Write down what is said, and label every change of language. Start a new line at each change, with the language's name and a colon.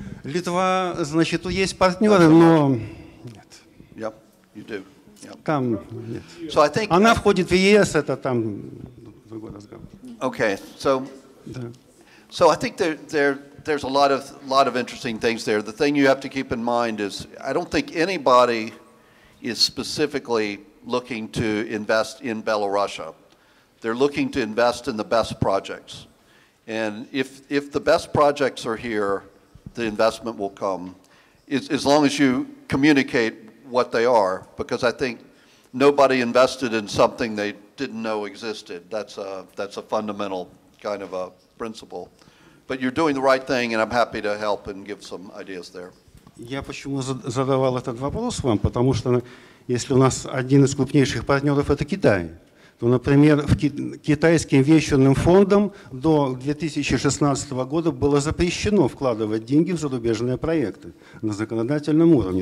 Russian: Литва, значит, тут есть партнеры, но нет.
English: Yep, you do. Yep.
Russian: Там нет.
English: So I think...
Russian: Она входит в ЕС, это там другой разговор.
English: Okay, so...
Russian: Да.
English: So I think there's a lot of interesting things there. The thing you have to keep in mind is I don't think anybody... is specifically looking to invest in Belarus. They're looking to invest in the best projects. And if the best projects are here, the investment will come, as long as you communicate what they are, because I think nobody invested in something they didn't know existed. That's a fundamental kind of a principle. But you're doing the right thing, and I'm happy to help and give some ideas there.
Russian: Я почему задавал этот вопрос вам, потому что если у нас один из крупнейших партнеров это Китай, то, например, китайским венчурным фондам до 2016 года было запрещено вкладывать деньги в зарубежные проекты на законодательном уровне.